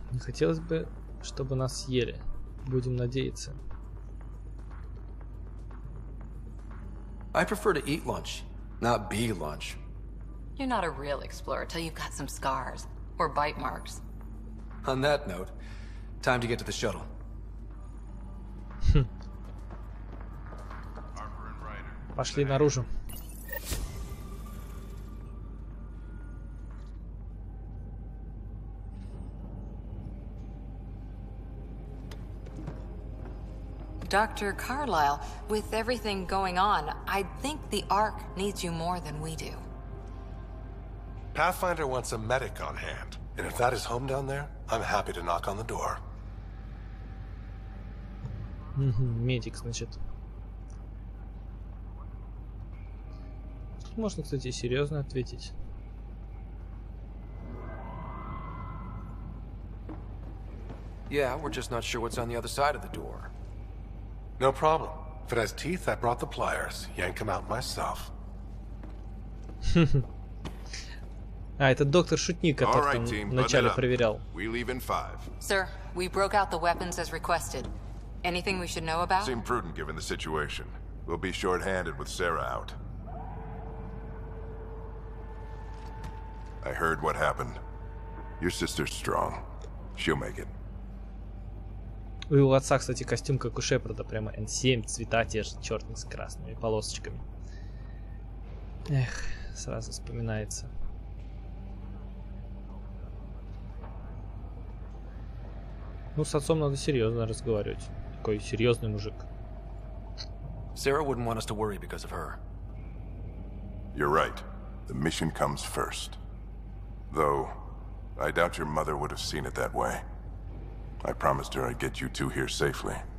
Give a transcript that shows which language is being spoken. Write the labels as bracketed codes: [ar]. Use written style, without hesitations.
[ru] Не хотелось бы, чтобы нас съели. Будем надеяться. [en] I prefer to eat lunch, not be lunch. You're not a real explorer till you've got some scars. Or bite marks. On that note, time to get to the shuttle. [ru] Пошли наружу. [en] Dr. Carlyle, with everything going on, I think the Ark needs you more than we do. Pathfinder wants a medic on hand, and if that is home down there, I'm happy to knock on the door. [ru] Медик, значит. Можно, кстати, серьезно ответить. [en] Yeah, we're just not sure what's on the other side of the door. No problem. If it has teeth, I brought the pliers. Yank them out myself. [ru] А, это доктор Шутник, который вначале проверял. [en] Sir, we broke out the weapons as requested. Anything we should know about? Seem prudent given the situation. We'll be short-handed with Sarah out. I heard what happened. Your sister's strong. She'll make it. [ru] У его отца, кстати, костюм как у Шепарда, прямо N7, цвета те же, черный с красными полосочками. Эх, сразу вспоминается. Ну, с отцом надо серьезно разговаривать. Такой серьезный мужик. [en] Sarah wouldn't want us to worry because of her. You're right. The mission comes first. Though, I doubt your mother would have seen it that way. I promised her I'd get you two here safely.